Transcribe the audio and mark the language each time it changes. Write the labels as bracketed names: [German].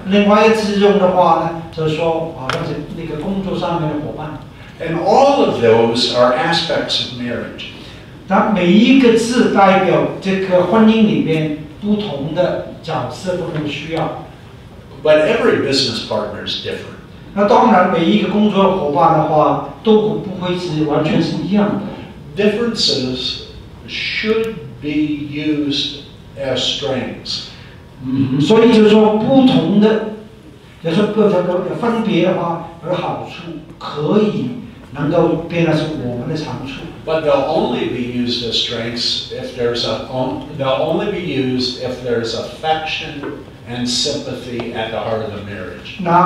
[Chinese] 另外一个字用的话呢，就是说，好像是那个工作上面的伙伴。 [English] And all of those are aspects of marriage. [Chinese] 但每一个字代表这个婚姻里面不同的角色、不同的需要。 [English] But every business partner is different. [Chinese] 那当然，每一个工作伙伴的话，都不会是完全是一样的。Differences [English] should be used as strengths. [Chinese] 所以就是说，不同的，就是不分别的话，有好处，可以能够变成是我们的长处。But [English] they'll only be used as strengths if there's a affection and sympathy at the heart of the marriage.